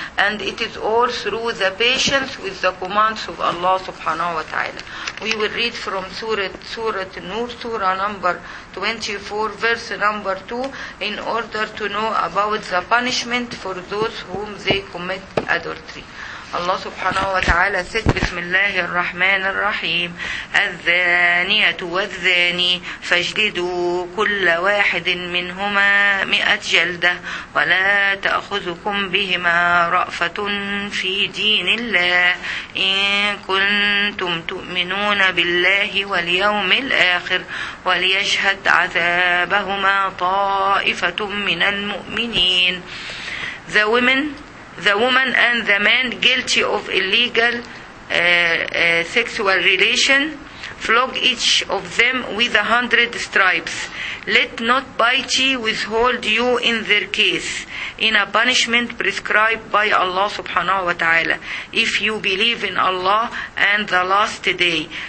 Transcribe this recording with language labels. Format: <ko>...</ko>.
<en>And it is all through the patience with the commands of Allah subhanahu wa ta'ala. We will read from Surah An-Nur, Surah number 24, verse number 2, in order to know about the punishment for those whom they commit adultery.</en> <ar>الله سبحانه وتعالى سيد بسم الله الرحمن الرحيم الزانية والزاني فاجلدوا كل واحد منهما 100 جلدة ولا تأخذكم بهما رأفة في دين الله إن كنتم تؤمنون بالله واليوم الآخر وليشهد عذابهما طائفة من المؤمنين.</ar> <en>The woman and the man guilty of illegal sexual relation, flog each of them with 100 stripes. Let not piety withhold you in their case, in a punishment prescribed by Allah subhanahu wa ta'ala, if you believe in Allah and the last day.</en>